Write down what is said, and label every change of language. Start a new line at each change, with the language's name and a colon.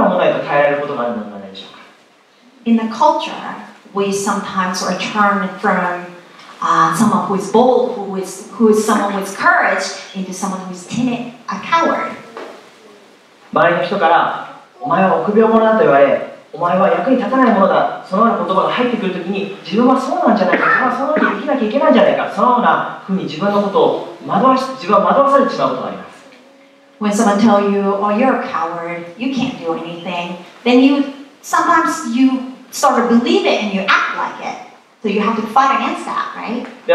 Japanese: 僕たちは時にこの文化の中で大胆なものから臆病なものへと変えられることがあるのではないでしょうか?
English: In the culture, we sometimes are turned from someone who is bold, who is someone with courage, into someone who is timid, a coward.
Japanese: 周りの人から、お前は臆病者だと言われ、お前は役に立たないものだ。そのような言葉が入ってくるときに自分はそうなんじゃないか、そのように生きなきゃいけないんじゃないか、そのような風に自分は惑わされてしまうことがあります。
English: When someone tells you, oh, you're a coward, you can't do anything, then you sometimes you start to believe it and you act like it. So you have to fight against that, right?